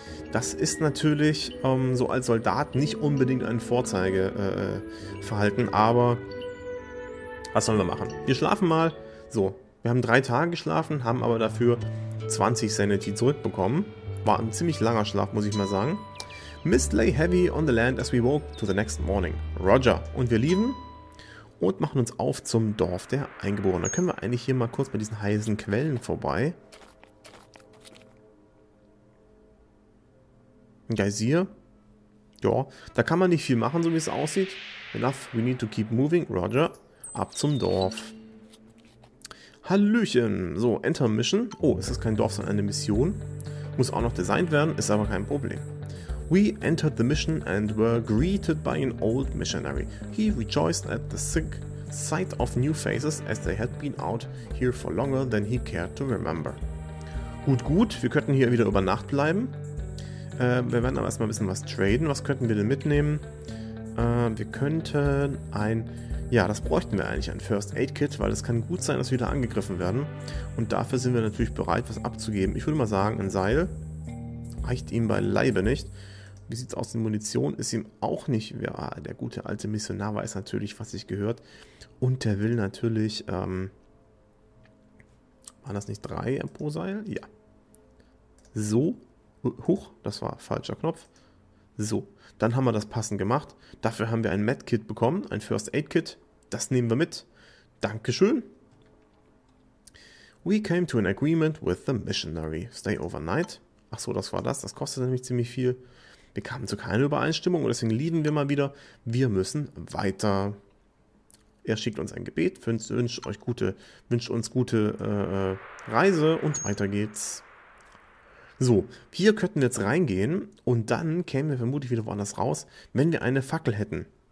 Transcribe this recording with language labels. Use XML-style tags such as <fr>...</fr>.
<de>Das ist natürlich so als Soldat nicht unbedingt ein Vorzeigeverhalten, aber was sollen wir machen? Wir schlafen mal. So, wir haben 3 Tage geschlafen, haben aber dafür 20 Sanity zurückbekommen. War ein ziemlich langer Schlaf, muss ich mal sagen.</de> <en>Mist lay heavy on the land as we woke to the next morning.</en> <de>Roger. Und wir lieben. Und machen uns auf zum Dorf der Eingeborenen. Da können wir eigentlich hier mal kurz bei diesen heißen Quellen vorbei. Ein Geysir. Ja, da kann man nicht viel machen, so wie es aussieht.</de> <en>Enough, we need to keep moving. Roger.</en> <de>Ab zum Dorf. Hallöchen.</de> <en>So, Enter Mission.</en> <de>Oh, es ist kein Dorf, sondern eine Mission. Muss auch noch designt werden, ist aber kein Problem.</de> <en>We entered the mission and were greeted by an old missionary. He rejoiced at the sight of new faces, as they had been out here for longer than he cared to remember.</en> <de>Gut, gut, wir könnten hier wieder über Nacht bleiben. Wir werden aber erstmal ein bisschen was traden. Was könnten wir denn mitnehmen? Wir könnten ein... Ja, das bräuchten wir eigentlich, ein First Aid Kit, weil es kann gut sein, dass wir wieder angegriffen werden. Und dafür sind wir natürlich bereit, was abzugeben. Ich würde mal sagen, ein Seil reicht ihm beileibe nicht. Wie sieht's aus mit Munition? Ist ihm auch nicht... Ja, der gute alte Missionar weiß natürlich, was sich gehört. Und der will natürlich... waren das nicht 3 pro Seil? Ja. So. Huch, das war falscher Knopf. So, dann haben wir das passend gemacht. Dafür haben wir ein Medkit bekommen, ein First Aid Kit. Das nehmen wir mit. Dankeschön.</de> <en>We came to an agreement with the missionary. Stay overnight.</en> <de>Ach so, das war das. Das kostet nämlich ziemlich viel. Wir kamen zu keiner Übereinstimmung und deswegen lieben wir mal wieder. Wir müssen weiter. Er schickt uns ein Gebet, wünscht uns gute Reise und weiter geht's. So, hier könnten wir jetzt reingehen und dann kämen wir vermutlich wieder woanders raus, wenn wir eine Fackel hätten.</de>